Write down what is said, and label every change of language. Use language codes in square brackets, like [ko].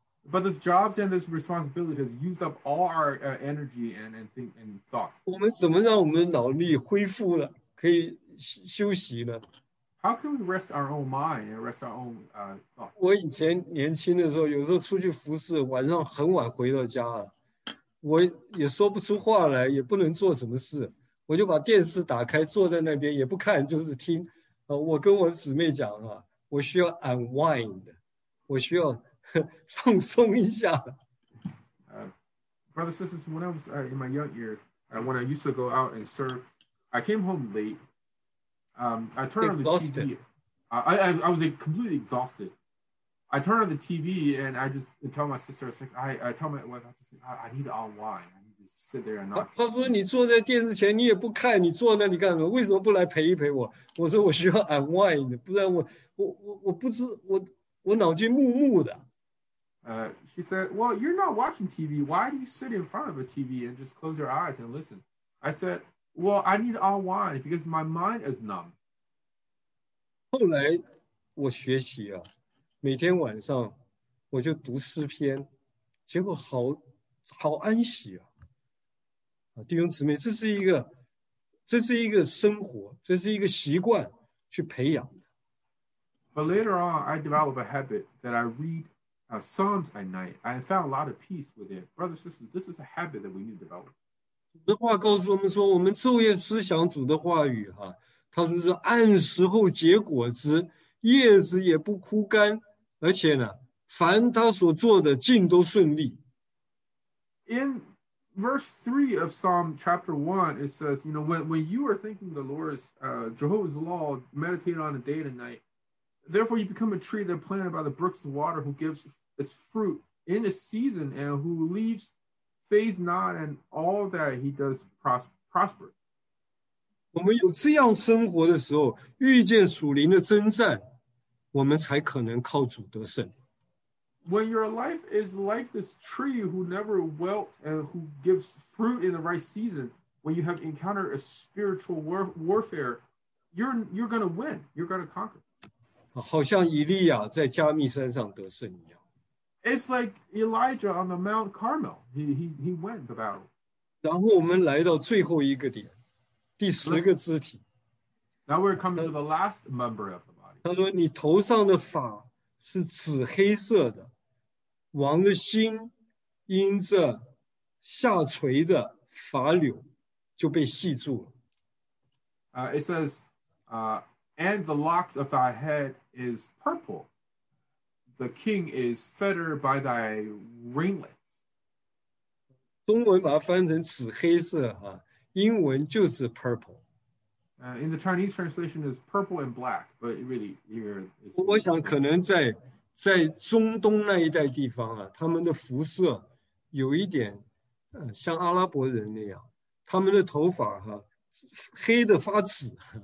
[en] But these jobs and this responsibility has used up all our energy and thoughts. [zh] 我们怎么让我们的脑力恢复了？可以休息呢？ [en] How can we rest our own mind and rest our own thoughts? [zh] 我以前年轻的时候，有时候出去服侍，晚上很晚回到家了，我也说不出话来，也不能做什么事，我就把电视打开，坐在那边也不看，就是听。我跟我姊妹讲啊，我需要 unwind， 我需要放松一下。 [en] Brother, sisters, when I was in my young years, when I used to go out and serve, I came home late. I turned on the TV. I was like, completely exhausted. I turned on the TV and I just tell my sister, I tell my wife, I need to unwind. I need to sit there and not. [zh] 她说你坐在电视前你也不看，你坐那里干什么？为什么不来陪一陪我？我说我需要 unwind， 不然我不知我脑筋木木的。 [en] She said, well, you're not watching TV. Why do you sit in front of a TV and just close your eyes and listen? I said. Well, I need to unwind because my mind is numb. [zh] 后来我学习啊，每天晚上我就读诗篇，结果好安息啊。弟兄姊妹，这是一个生活，这是一个习惯去培养的。 [en] But later on, I developed a habit that I read Psalms at night. I found a lot of peace with it. Brothers and sisters, this is a habit that we need to develop. [zh] 主的话告诉我们说，我们昼夜思想主的话语，他说是按时候结果子，叶子也不枯干，而且呢，凡他所做的尽都顺利。 [en] In verse 3 of Psalm chapter 1, it says, you know, when you are thinking the Lord's, Jehovah's law, meditate on it day and night, Therefore, you become a tree that planted by the brooks of water, who gives its fruit in a season, and who leaves, fades not, and all that he does prosper. [zh] 我们有这样生活的时候，遇见属灵的征战，我们才可能靠主得胜。 [en] When your life is like this tree who never wilt and who gives fruit in the right season, when you have encountered a spiritual warfare, you're going to win. You're going to conquer. [zh] 好像以利亚在加密山上得胜一样。 [en] It's like Elijah on the Mount Carmel. He won the battle. [zh] 然后我们来到最后一个点，第十个肢体。 [en] Now we're coming to the last member of the body. [zh] 他说你头上的发是紫黑色的，王的心因着下垂的发柳就被系住了。 [en] It says, and the locks of thy head is purple. The king is fettered by thy ringlets. [zh] 中文把它翻成紫黑色啊，英文就是 purple。 [en] In the Chinese translation is purple and black, but really here is. [zh] 我想可能在中东那一带地方啊，他们的服饰有一点，像阿拉伯人那样，他们的头发哈、黑的发紫。